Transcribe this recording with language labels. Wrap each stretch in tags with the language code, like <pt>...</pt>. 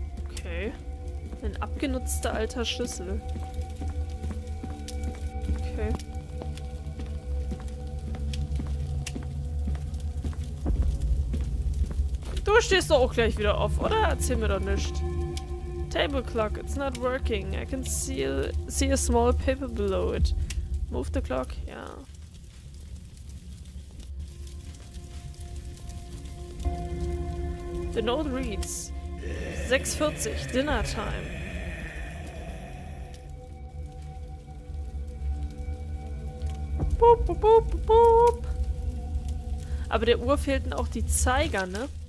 <en>Okay.</en> <de>Ein abgenutzter alter Schlüssel. Du stehst doch auch gleich wieder auf, oder? Erzähl mir doch nichts.</de> <en>Table clock, it's not working. I can see a small paper below it. Move the clock, ja. The note reads 6:40, dinner time. Boop, boop, boop, boop.</en> <de>Aber der Uhr fehlten auch die Zeiger, ne?</de>